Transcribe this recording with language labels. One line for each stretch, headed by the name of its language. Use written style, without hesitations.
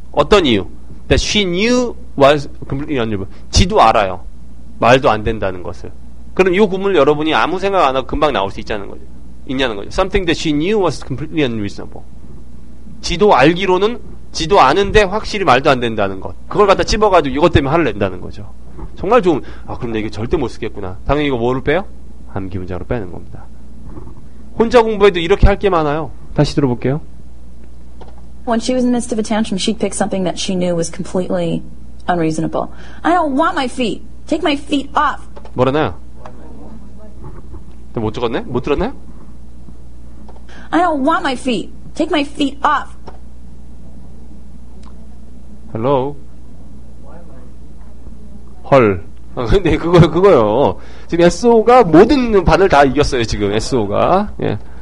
Korean: 어떤 이유
English: that she knew was completely unreasonable.
Korean: 지도 알아요. 말도 안 된다는 것을. 그럼 이 구문을 여러분이 아무 생각 안 하고 금방 나올 수 있다는 거죠. 있냐는 거죠.
English: Something that she knew was completely unreasonable.
Korean: 지도 알기로는 지도 아는데 확실히 말도 안 된다는 것. 그걸 갖다 집어가지고 이것 때문에 화를 낸다는 거죠. 정말 좋은. 아, 그럼 내 이게 절대 못 쓰겠구나. 당연히 이거 뭐를 빼요? 암기 문장으로 빼는 겁니다. 혼자 공부해도 이렇게 할 게 많아요. 다시 들어볼게요.
English: When she was in the midst of a tantrum, she'd pick something that she knew was completely unreasonable. I don't want my feet. Take my feet off.
Korean: 뭐라나요? 못 적었네? 못 들었나요? I don't want my feet. Take my feet off.
English: Hello?
Korean: 헐. 네, 그거요. 지금 SO가 모든 반을 다 이겼어요, 지금 SO가. 예.